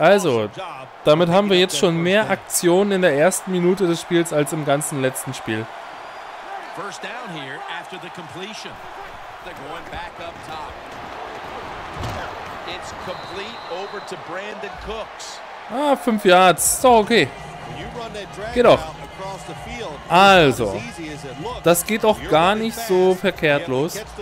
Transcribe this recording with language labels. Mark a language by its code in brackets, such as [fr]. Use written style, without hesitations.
[de] Also, damit haben wir jetzt schon mehr Aktionen in der ersten Minute des Spiels als im ganzen letzten Spiel. [en] First down here after the completion. They're going back up top. It's complete over to Brandon Cooks. [de] Ah, 5 Yards. So, okay. Geht doch. Also, das geht auch gar nicht so verkehrt los.